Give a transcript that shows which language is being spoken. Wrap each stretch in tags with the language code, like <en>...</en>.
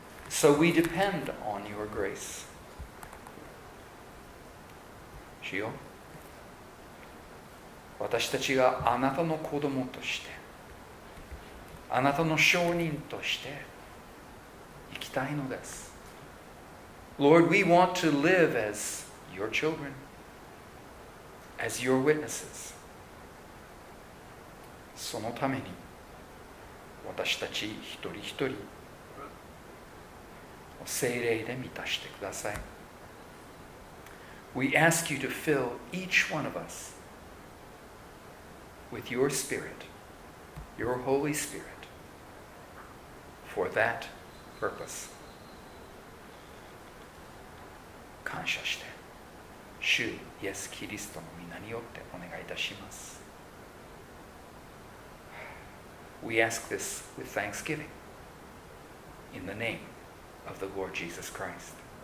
<en>So we depend on your grace.</en> <ja>主よ、私たちがあなたの子供として、あなたの証人として生きたいのです。</ja> <en>Lord, we want to live as your children, as your witnesses.</en> <ja>そのために、私たち一人一人を聖霊で満たしてください。</ja> <en>We ask you to fill each one of us with your Spirit, your Holy Spirit, for that purpose.</en> <ja>感謝して、主イエス・キリストの御名によってお願いいたします。</ja> <en>We ask this with thanksgiving in the name of the Lord Jesus Christ.</en>